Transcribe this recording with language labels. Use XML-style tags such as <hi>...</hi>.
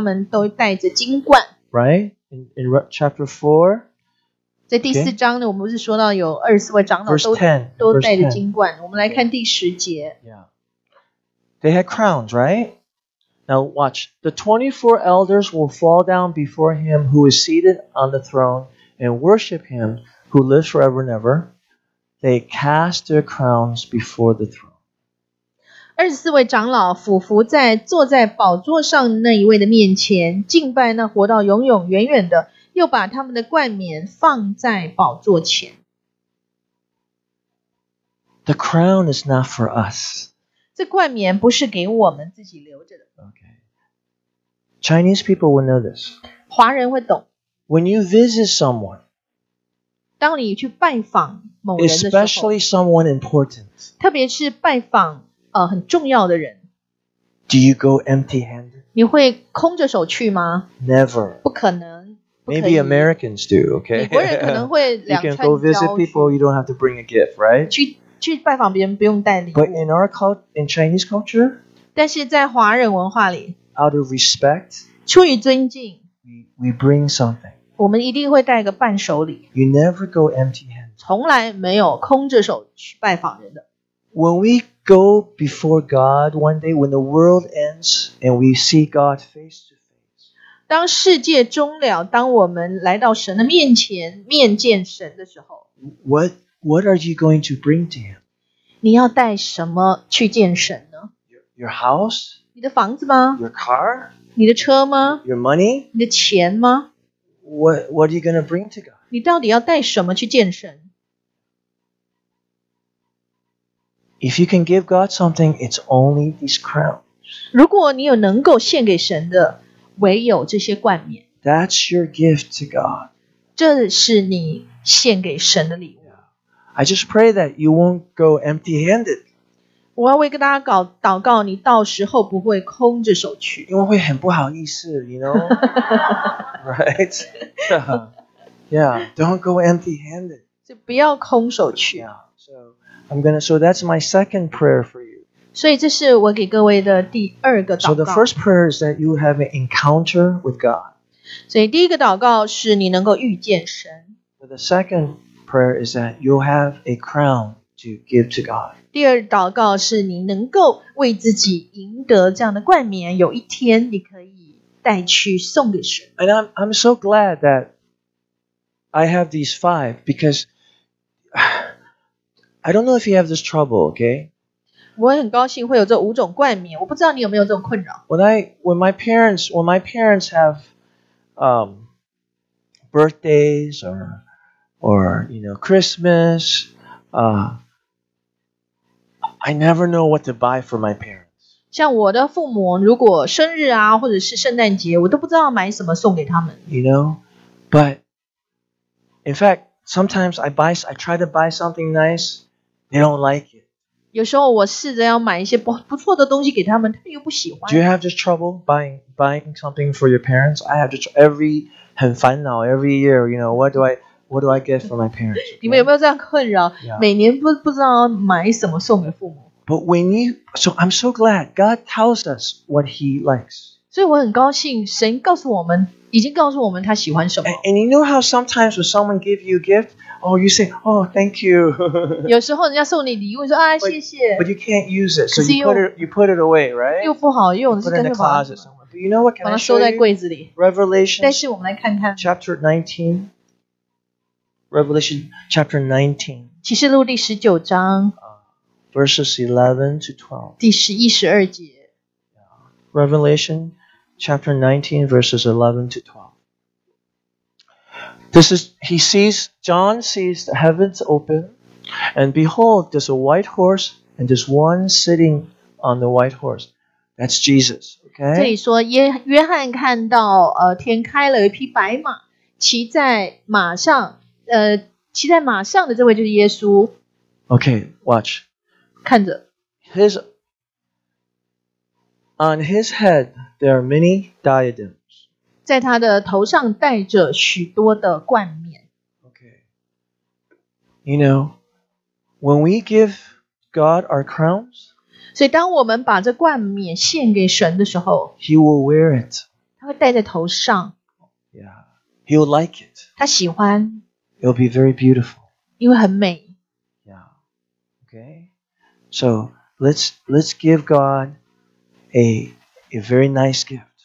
<zh>大家记得24位长老他们都带着金冠</zh> <en>Right? In chapter 4</en> <zh>在第四章呢 okay. 我们不是说到有24位长老都带着金冠 我们来看第十节</zh> <en>yeah. They had crowns, right? Now watch The 24 elders will fall down before him who is seated on the throne and worship him who lives forever and ever They cast their crowns before the throne.</en> <zh>24位长老俯伏在坐在宝座上那一位的面前，敬拜那活到永永远远的，又把他们的冠冕放在宝座前。</zh> <en>The crown is not for us.</en> <zh>这冠冕不是给我们自己留着的。</zh> <en>Okay. Chinese people will know this.</en> <zh>华人会懂。</zh> <en>When you visit someone,</en> <zh>当你去拜访某人的时候，</zh> <en>especially someone important,</en> <zh>特别是拜访很重要的人，</zh> <en>do you go empty-handed?</en> <zh>你会空着手去吗？</zh> <en>Never.</en> <zh>不可能。</zh> <en>Maybe Americans do, okay?</en> <zh>美国人可能会两串交。</zh> <en>You can go visit people, you don't have to bring a gift, right?</en> <zh>去拜访别人不用带礼物。</zh> <en>But in our culture, in Chinese culture,</en> <zh>但是在华人文化里，</zh> <en>out of respect,</en> <zh>出于尊敬，</zh> <en>we bring something.</en> <zh>我们一定会带个伴手礼。</zh> <en>You never go empty-handed.</en> <zh>从来没有空着手去拜访人的。</zh> <en>When we go before God one day, when the world ends, and we see God face to face,</en> <zh>当世界终了，当我们来到神的面前，面见神的时候，</zh> <en>What are you going to bring to him?</en> <zh>你要带什么去见神呢？</zh> <en>Your house?</en> <zh>你的房子吗？</zh> <en>Your car?</en> <zh>你的车吗？</zh> <en>Your money?</en> <zh>你的钱吗？</zh> <en>What are you going to bring to God?</en> <zh>你到底要带什么去见神？</zh> <en>If you can give God something, it's only these crowns.</en> <zh>如果你有能够献给神的，唯有这些冠冕。</zh> <en>That's your gift to God.</en> <zh>这是你献给神的礼物。</zh> <en>I just pray that you won't go empty-handed.</en> <zh>我要为大家祷告，你到时候不会空着手去。因为会很不好意思，</zh> <en>you know? right? yeah, don't go empty-handed.</en> <zh>就不要空手去。</zh> <en>Yeah, so that's my second prayer for you.</en> <zh>所以这是我给各位的第二个祷告。</zh> <en>So the first prayer is that you have an encounter with God.</en> <zh>所以第一个祷告是你能够遇见神。</zh> <en>But the second prayer is that you have a crown to give to God.</en> <zh>第二祷告是你能够为自己赢得这样的冠冕，有一天你可以带去送给神。</zh> <en>And I'm so glad that I have these five because I don't know if you have this trouble, okay?</en> <zh>我很高兴会有这五种冠冕，我不知道你有没有这种困扰。</zh> <en>When my parents have birthdays or you know Christmas, I never know what to buy for my parents.</en> <zh>像我的父母，如果生日啊，或者是圣诞节，我都不知道买什么送给他们。</zh> <en>You know, but in fact, sometimes I try to buy something nice, they don't like it.</en> <zh>有时候我试着要买一些不错的东西给他们，他们又不喜欢。</zh> <en>Do you have this trouble buying something for your parents? I have this every</en> <zh>很烦恼</zh> <en>every year. You know what do I get for my parents?</en> <zh>你们有没有这样困扰？Yeah. 每年不知道买什么送给父母。</zh> <en>But when you so I'm so glad God tells us what He likes.</en> <zh>所以我很高兴神告诉我们，已经告诉我们他喜欢什么。</zh> <en>And you know how sometimes when someone give you a gift. Oh, you say, oh, thank you.</en> <zh>有时候人家送你礼物，说啊，谢谢。</zh> <en>But you can't use it, so you put it away, right?</en> <zh>又不好用，是真的吗？</zh> <en>Put it in the closet. But you know what? Can I show you?</en> <zh>把它收在柜子里。</zh> <en>Revelation.</en> <zh>但是我们来看看。</zh> <en>Chapter 19. Revelation chapter 19.</en> <zh>启示录第十九章。</zh> <en>Verses 11 to 12.</en> <zh>第十一十二节。</zh> <en>Revelation chapter 19, verses 11 to 12. This is, he sees, John sees the heavens open, and behold, there's a white horse, and there's one sitting on the white horse. That's Jesus, okay?</en> <zh>这里说约翰看到天开了一匹白马，骑在马上的这位就是耶稣。</zh> <en>Okay, watch.</en> <zh>看着。</zh> <en>On his head, there are many diadems.</en> <zh>在他的头上戴着许多的冠冕。</zh> <en>Okay. You know, when we give God our crowns,</en> <zh>所以当我们把这冠冕献给神的时候，</zh> <en>He will wear it.</en> <zh>他会戴在头上。</zh> <en>Yeah. He will like it.</en> <zh>他喜欢。</zh> <en>It will be very beautiful.</en> <zh>因为很美。</zh> <en>Yeah. Okay. So, let's give God a very nice gift.</en>